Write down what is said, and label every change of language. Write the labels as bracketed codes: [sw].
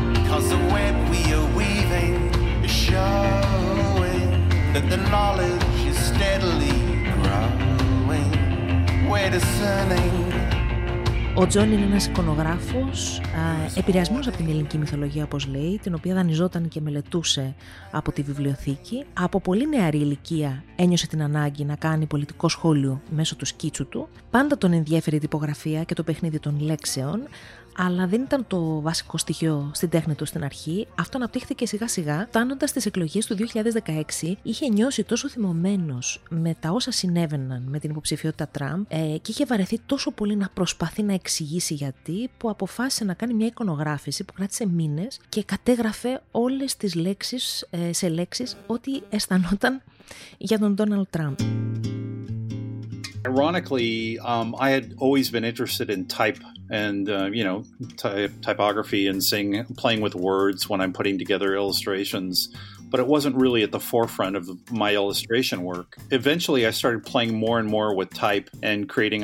[en] Cause the web we are weaving is showing that the knowledge is steadily growing. We're discerning. [el] Ο Τζον είναι ένας εικονογράφος, επηρεασμένος από την ελληνική μυθολογία, όπως λέει, την οποία δανειζόταν και μελετούσε από τη βιβλιοθήκη. Από πολύ νεαρή ηλικία ένιωσε την ανάγκη να κάνει πολιτικό σχόλιο μέσω του σκίτσου του. Πάντα τον ενδιέφερε η τυπογραφία και το παιχνίδι των λέξεων, αλλά δεν ήταν το βασικό στοιχείο στην τέχνη του στην αρχή. Αυτό αναπτύχθηκε σιγά σιγά. Φτάνοντας στις εκλογές του 2016, είχε νιώσει τόσο θυμωμένος με τα όσα συνέβαιναν με την υποψηφιότητα Τραμπ και είχε βαρεθεί τόσο πολύ να προσπαθεί να εξηγήσει γιατί, που αποφάσισε να κάνει μια εικονογράφηση που κράτησε μήνες και κατέγραφε όλες τις λέξεις σε λέξεις ό,τι αισθανόταν για τον Ντόναλντ Τραμπ. [en] Ironically, I had always been interested in type and, you know, typography and seeing, playing with words when I'm putting together illustrations, but it wasn't really at the forefront of my illustration work. Eventually, I started playing more and more with type and creating.